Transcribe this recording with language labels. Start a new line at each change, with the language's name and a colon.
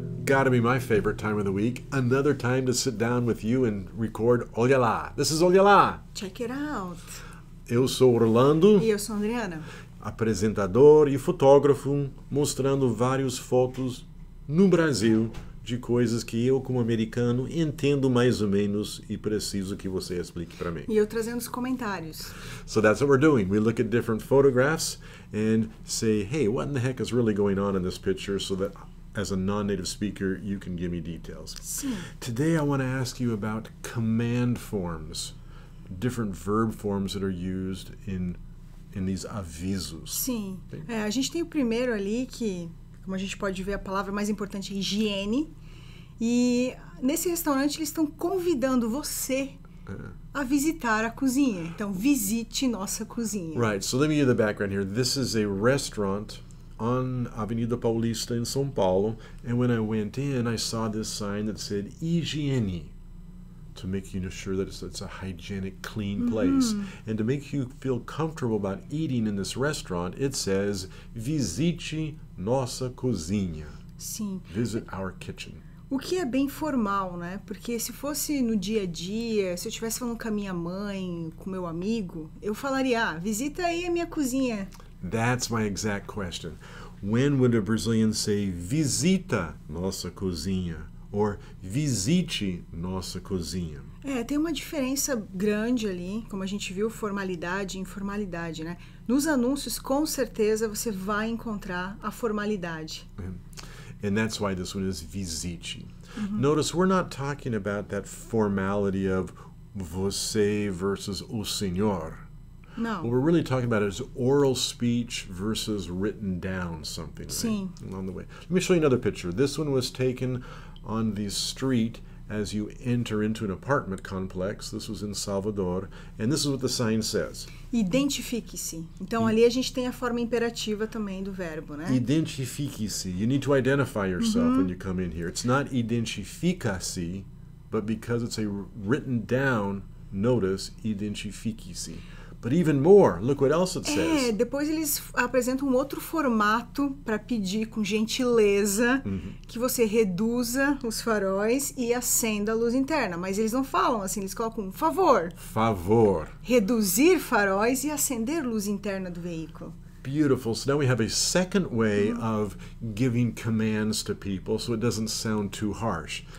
English: Gotta be my favorite time of the week. Another time to sit down with you and record Olyala. This is Olyala. Check it out.
Portuguese: Eu sou Orlando. E eu sou Adriana. Apresentador e fotógrafo, mostrando várias fotos no Brasil de coisas que eu, como americano, entendo mais ou menos e preciso que você explique para mim. E eu trazendo os comentários.
English: So that's what we're doing. We look at different photographs and say, hey, what in the heck is really going on in this picture so that as a non-native speaker, you can give me details.
Portuguese: Sim.
English: Today, I want to ask you about command forms, different verb forms that are used in these avisos.
Portuguese: Sim. Okay. A gente tem o primeiro ali, que, como a gente pode ver, a palavra mais importante é higiene. E nesse restaurante, eles estão convidando você a visitar a cozinha. Então, visite nossa cozinha.
English: Right. So, let me give the background here. This is a restaurant on Avenida Paulista in São Paulo, and when I went in, I saw this sign that said higiene, to make you sure that it's a hygienic, clean place. Mm-hmm. And to make you feel comfortable about eating in this restaurant, it says
Portuguese: visite nossa cozinha. Sim.
English: Visit our kitchen.
Portuguese: O que é bem formal, né? Porque se fosse no dia a dia, se eu estivesse falando com a minha mãe, com meu amigo, eu falaria, ah, visita aí a minha cozinha.
English: That's my exact question. When would a Brazilian say
Portuguese: visita nossa cozinha
English: or
Portuguese: visite nossa cozinha? É, tem uma diferença grande ali, como a gente viu, formalidade e informalidade, né? Nos anúncios, com certeza, você vai encontrar a formalidade.
English: And that's why this one is visite. Mm-hmm. Notice we're not talking about that formality of você versus o senhor. No. What we're really talking about is oral speech versus written down something.
Portuguese: Sim.
English: Right? Along the way. Let me show you another picture. This one was taken on the street as you enter into an apartment complex. This was in Salvador. And this is what the sign says.
Portuguese: Identifique-se. Então, ali a gente tem a forma imperativa também do verbo, né? Identifique-se.
English: You need to identify yourself mm-hmm. when you come in here. It's not identifica-se, but because it's a written down notice, identifique-se. But even more, look what else it says.
Portuguese: É, depois eles apresentam um outro formato para pedir com gentileza mm-hmm. que você reduza os faróis e acenda a luz interna. Mas eles não falam assim, eles colocam um favor. Favor. Reduzir faróis e acender luz interna do veículo.
English: Beautiful. So now we have a second way mm-hmm. of giving commands to people so it doesn't sound too harsh.